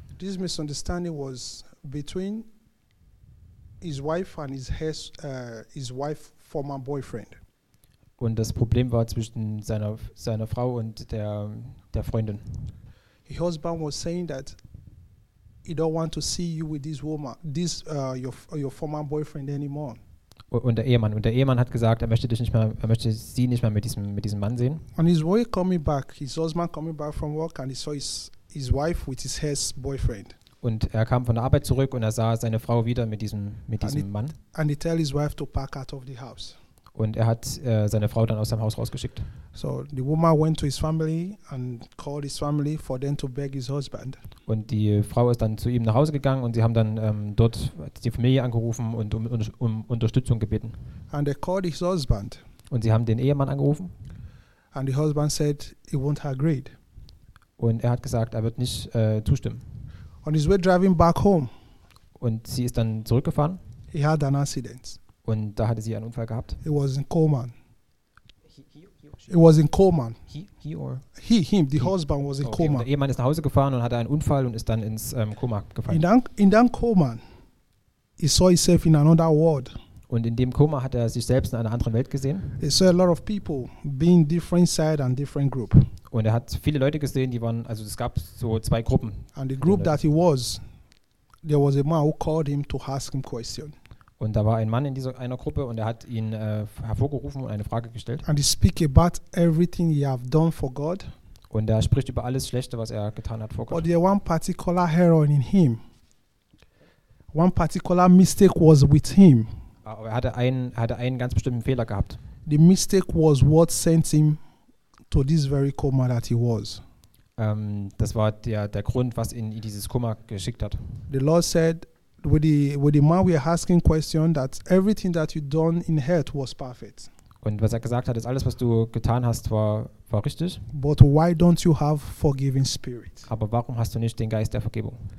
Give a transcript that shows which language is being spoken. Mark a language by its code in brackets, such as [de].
[en] This misunderstanding was between his wife and his wife's former boyfriend. [de] Und das Problem war zwischen seiner Frau und der Freundin. [en] His husband was saying that he don't want to see you with this woman, your former boyfriend anymore. [de] Und der Ehemann hat gesagt, möchte sie nicht mehr mit diesem Mann sehen. [en] On his way coming back, his husband coming back from work and he saw his wife with his ex boyfriend. [de] Und er kam von der Arbeit zurück und er sah seine Frau wieder mit diesem Mann. [en] And he tell his wife to pack out of the house. [de] Und er hat seine Frau dann aus seinem Haus rausgeschickt. [en] So the woman went to his family and called his family for them to beg his husband. [de] Und die Frau ist dann zu ihm nach Hause gegangen und sie haben dann dort die Familie angerufen und um Unterstützung gebeten. [en] And they called his husband. [de] Und sie haben den Ehemann angerufen. [en] And the husband said he won't agree. [de] Und er hat gesagt, er wird nicht zustimmen. [en] On his way driving back home. [de] Und sie ist dann zurückgefahren. [en] He had an accident. [de] Und da hatte sie einen Unfall gehabt. [en] He was in coma. It was in coma. Husband was in coma. [de] Der Ehemann ist nach Hause gefahren und hatte einen Unfall und ist dann ins Koma gefallen. [en] In that coma, he saw himself in another world. [de] Und in dem Koma hat er sich selbst in einer anderen Welt gesehen. [en] He saw a lot of people being different side and different group. [de] Und er hat viele Leute gesehen, die waren, also es gab so zwei Gruppen. [en] And the group that he was, there was a man who called him to ask him question. [de] Und da war ein Mann in dieser einer Gruppe und er hat ihn hervorgerufen und eine Frage gestellt. [en] And he speak about everything he have done for God. [de] Und er spricht über alles Schlechte, was er getan hat vor Gott. [en] But there one particular error in him. One particular mistake was with him. [de] Aber er hatte einen ganz bestimmten Fehler gehabt. [en] The mistake was what sent him to this very coma that he was. [de] Das war der Grund, was ihn in dieses Koma geschickt hat. [en] The Lord said, With the man we are asking question that everything that you done in health was perfect. [de] Und was er gesagt hat, ist alles, was du getan hast, war richtig. [en] But why don't you have forgiving spirit? [de] Aber warum hast du nicht den Geist der Vergebung?